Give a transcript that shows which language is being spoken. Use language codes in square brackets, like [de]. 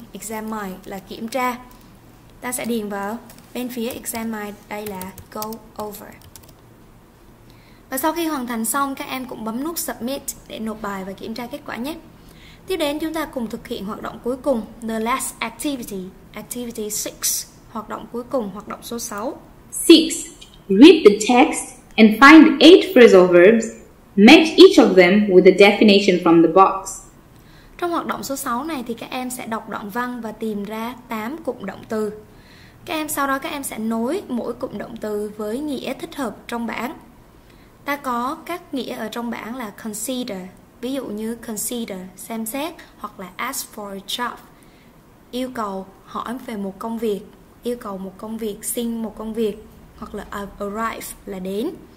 [vi] Examine là kiểm tra. Ta sẽ điền vào bên phía examine đây là go over. Và sau khi hoàn thành xong, các em cũng bấm nút submit để nộp bài và kiểm tra kết quả nhé. Tiếp đến chúng ta cùng thực hiện hoạt động cuối cùng, [en] the last activity, [vi] activity 6, hoạt động cuối cùng, hoạt động số 6. [en] 6. Read the text and find 8 phrasal verbs, match each of them with a definition from the box. [vi] Trong hoạt động số 6 này thì các em sẽ đọc đoạn văn và tìm ra 8 cụm động từ. Các em sau đó các em sẽ nối mỗi cụm động từ với nghĩa thích hợp trong bảng. Ta có các nghĩa ở trong bảng là consider, ví dụ như consider, xem xét, hoặc là [en] ask for a job, [vi] yêu cầu, hỏi về một công việc, yêu cầu một công việc, xin một công việc, hoặc là arrive là đến.